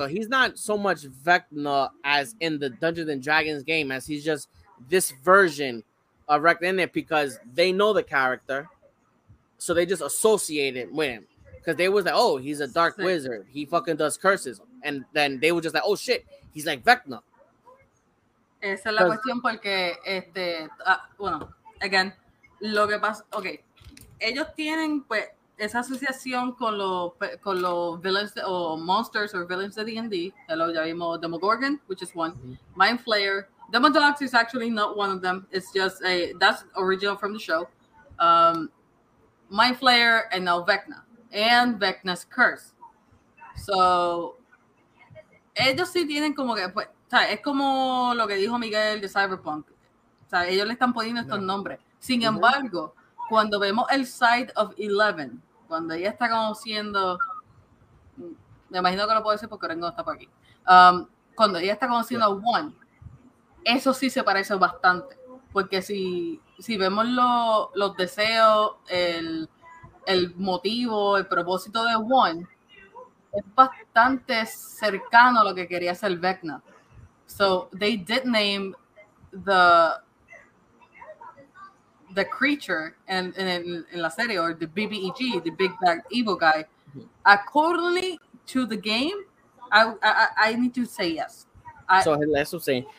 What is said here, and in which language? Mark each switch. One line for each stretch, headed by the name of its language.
English: Yeah. So he's not so much Vecna as in the Dungeons and Dragons game, as he's just this version of Vecna in it because they know the character, so they just associate it with him. Because they was like, oh, he's a dark wizard. He fucking does curses. And then they were just like, oh, shit, he's like Vecna.
Spanish: Esa es la cuestión porque, lo que pasa, okay. Ellos tienen, pues, esa asociación con los villains o
English: monsters or villains
Spanish: de D&D.
English: Hello,
Spanish: ya vimos
English: Demogorgon, which is one. Mm-hmm. Mind Flayer. Demodogs is actually not one of them. It's just that's original from the show. Mind Flayer and now Vecna. And Vecna's curse.
Spanish: So, ellos sí tienen como que, pues, o sea, es como lo que dijo Miguel de Cyberpunk. O sea, ellos le están poniendo estos nombres. Sin embargo, cuando vemos el
English: side of
Spanish: Eleven, cuando ella está conociendo, me imagino que lo puedo decir porque Rengo está por aquí. Cuando ella está conociendo a One, eso sí se parece bastante. Porque si vemos los deseos, el motivo, el propósito de One, es bastante cercano a lo que quería hacer Vecna.
English: So, they did name the creature in
Spanish: la serie,
English: or the BBEG, the Big Bad Evil Guy, according to the game, I need to say yes. So that's what I'm saying.